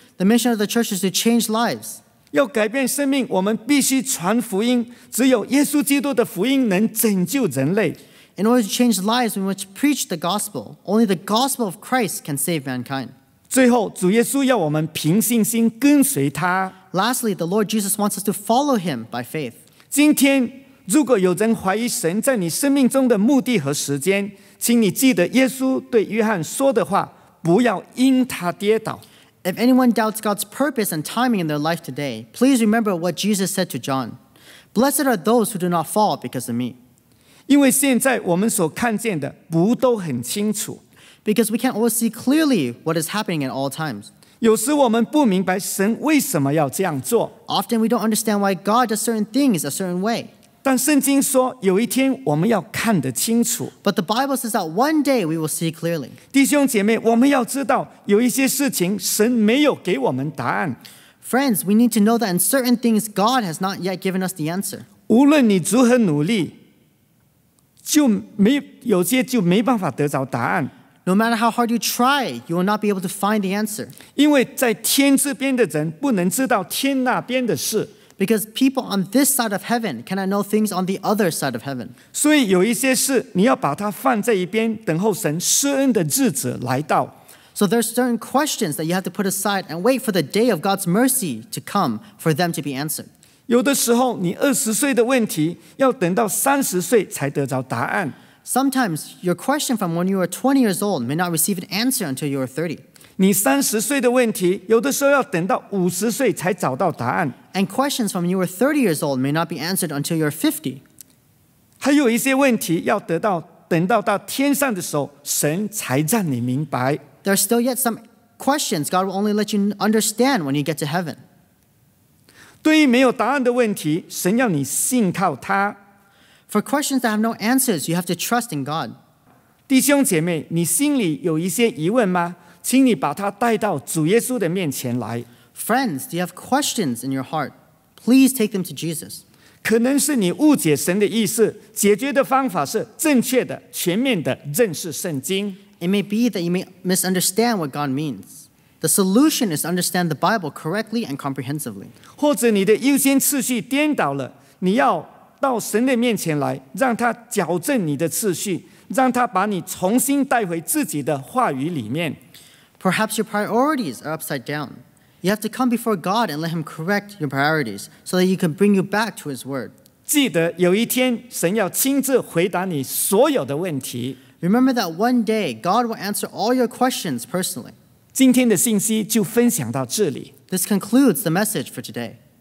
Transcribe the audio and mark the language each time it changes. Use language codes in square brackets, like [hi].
[en] The mission of the church is to change lives. [zh] 要改变生命，我们必须传福音。只有耶稣基督的福音能拯救人类。 [en] In order to change lives, we must preach the gospel. Only the gospel of Christ can save mankind. [zh] 最后，主耶稣要我们凭信心跟随他。 [en] Lastly, the Lord Jesus wants us to follow him by faith. [zh] 今天如果有人怀疑神在你生命中的目的和时间，请你记得耶稣对约翰说的话，不要因他跌倒。 [en] If anyone doubts God's purpose and timing in their life today, please remember what Jesus said to John. Blessed are those who do not fall because of me. [zh] 因为现在我们所看见的不都很清楚。 [en] Because we can't always see clearly what is happening at all times. [zh] 有时我们不明白神为什么要这样做。 [en] Often we don't understand why God does certain things a certain way. [zh] 但圣经说有一天我们要看得清楚。 [en] But the Bible says that one day we will see clearly. [zh] 弟兄姐妹，我们要知道有一些事情神没有给我们答案。 [en] Friends, we need to know that in certain things God has not yet given us the answer. [zh] 无论你如何努力，就没有些就没办法得着答案。 [en] No matter how hard you try, you will not be able to find the answer. [zh] 因为在天这边的人不能知道天那边的事。 [en] Because people on this side of heaven cannot know things on the other side of heaven. [zh] 所以有一些事你要把它放在一边，等候神施恩的日子来到。 [en] So there are certain questions that you have to put aside and wait for the day of God's mercy to come for them to be answered. [zh] 有的时候你20岁的问题要等到30岁才得着答案。 [en] Sometimes, your question from when you are 20 years old may not receive an answer until you are 30. [zh] 你30岁的问题，有的时候要等到50岁才找到答案。 [en] And questions from when you are 30 years old may not be answered until you are 50. [zh] 还有一些问题要等到天上的时候，神才让你明白。 [en] There are still yet some questions God will only let you understand when you get to heaven. [zh] 对于没有答案的问题，神要你信靠他。 [en] For questions that have no answers, you have to trust in God. [zh] 弟兄姐妹，你心里有一些疑问吗？请你把它带到主耶稣的面前来。 [en] Friends, do you have questions in your heart? Please take them to Jesus. [zh] 可能是你误解神的意思，解决的方法是正确的、全面的认识圣经。 [en] It may be that you may misunderstand what God means. The solution is to understand the Bible correctly and comprehensively. [zh] 或者你的优先次序颠倒了，你要到神的面前来，让他矫正你的次序，让他把你重新带回自己的话语里面。 [en] Perhaps your priorities are upside down. You have to come before God and let him correct your priorities so that you can bring you back to his word. [zh] 记得有一天神要亲自回答你所有的问题。 [en] Remember that one day God will answer all your questions personally. [zh] 今天的信息就分享到这里。 [en] This concludes the message for today.